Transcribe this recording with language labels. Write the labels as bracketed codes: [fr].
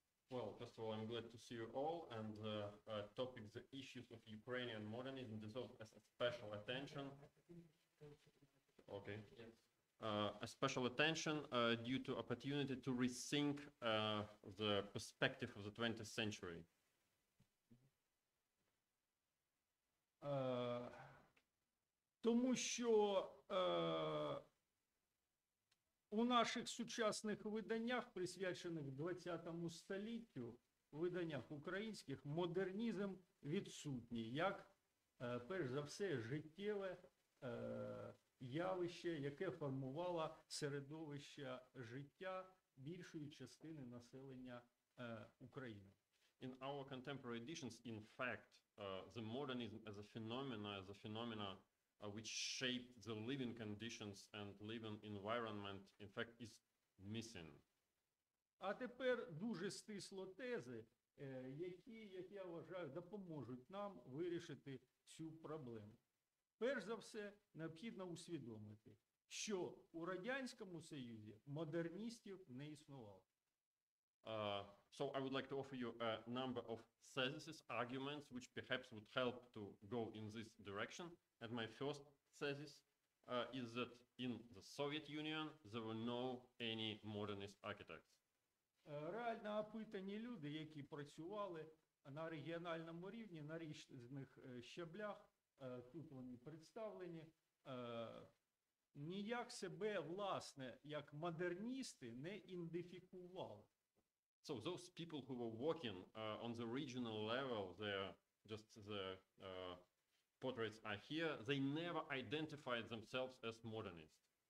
[en] Well, first of all, I'm glad to see you all, and the topic, the issues of Ukrainian modernism, deserve a special attention. Okay. A special attention due to opportunity to rethink the perspective of the 20th century. [uk] Тому що у наших сучасних виданнях, присвячених 20-му століттю, виданнях українських, модернізм відсутній, як, перш за все, життєве явище, яке формувало середовище життя більшої частини населення України. [en] In our contemporary editions, in fact, the modernism as a phenomena, which shaped the living conditions and living environment, in fact, is missing. [uk] А тепер дуже стисло тези, які, як я вважаю, допоможуть нам вирішити цю проблему. Перш за все, необхідно усвідомити, що у Радянському Союзі модерністів не існувало. [en] So I would like to offer you a number of theses, arguments, which perhaps would help to go in this direction. And my first thesis is that in the Soviet Union there were no any modernist architects. [uk] Реально опитані люди, які працювали на регіональному рівні, на різних щаблях, тут вони представлені, ніяк себе, власне, як модерністи не ідентифікували. [en] So those people who were working on the regional level, the portraits are here, they never identified themselves as modernists.